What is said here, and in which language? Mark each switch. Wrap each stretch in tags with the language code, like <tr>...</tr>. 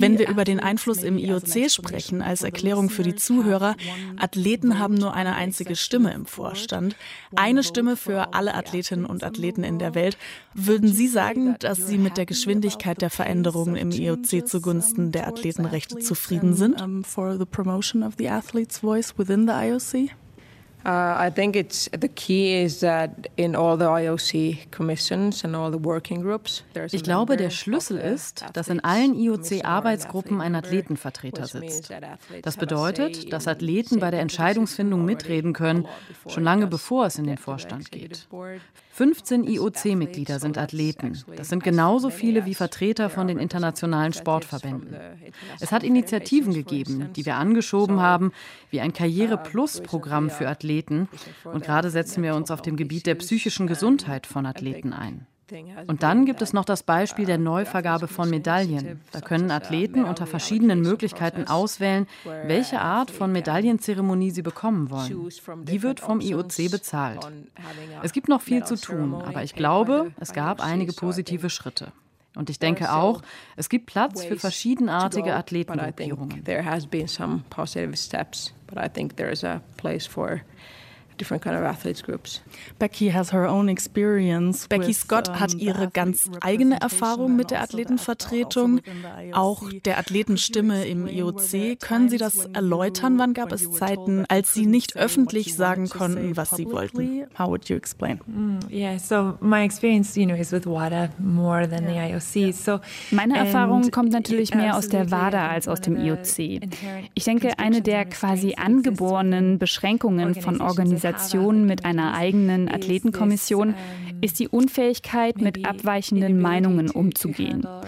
<de>Wenn wir über den Einfluss im IOC sprechen, als Erklärung für die Zuhörer, Athleten haben nur eine einzige Stimme im Vorstand. Eine Stimme für alle Athletinnen und Athleten in der Welt. Würden Sie sagen, dass Sie mit der Geschwindigkeit der Veränderungen im IOC zugunsten der Athletenrechte zufrieden sind?</de> <en>For the promotion of the athlete's voice within the IOC? I think it's the key is that in all the IOC commissions and all the working groups, there's.</en> <de>Ich glaube, der Schlüssel ist, dass in allen IOC-Arbeitsgruppen ein Athletenvertreter sitzt. Das bedeutet, dass Athleten bei der Entscheidungsfindung mitreden können, schon lange bevor es in den Vorstand geht. 15 IOC-Mitglieder sind Athleten. Das sind genauso viele wie Vertreter von den internationalen Sportverbänden. Es hat Initiativen gegeben, die wir angeschoben haben, wie ein Karriere-Plus-Programm für Athleten. Und gerade setzen wir uns auf dem Gebiet der psychischen Gesundheit von Athleten ein. Und dann gibt es noch das Beispiel der Neuvergabe von Medaillen. Da können Athleten unter verschiedenen Möglichkeiten auswählen, welche Art von Medaillenzeremonie sie bekommen wollen. Die wird vom IOC bezahlt. Es gibt noch viel zu tun, aber ich glaube, es gab einige positive Schritte. Und ich denke auch, es gibt Platz für verschiedenartige Athletengruppierungen.</de> <en>There has been some positive steps, but I think there is a place for different kind of athletes groups. Becky has her own experience.</en> <de>Becky Scott hat ihre ganz eigene Erfahrung mit der Athletenvertretung, auch der Athletenstimme im IOC. Können Sie das erläutern? Wann gab es Zeiten, als Sie nicht öffentlich sagen konnten, was Sie wollten?</de> <en>How would you explain? Yeah, so my experience, you know, is with WADA more than the IOC. So</en> <de>meine Erfahrung kommt natürlich mehr aus der WADA als aus dem IOC. Ich denke, eine der quasi angeborenen Beschränkungen von Organisationen mit einer eigenen Athletenkommission ist die Unfähigkeit, mit abweichenden Meinungen umzugehen.</de>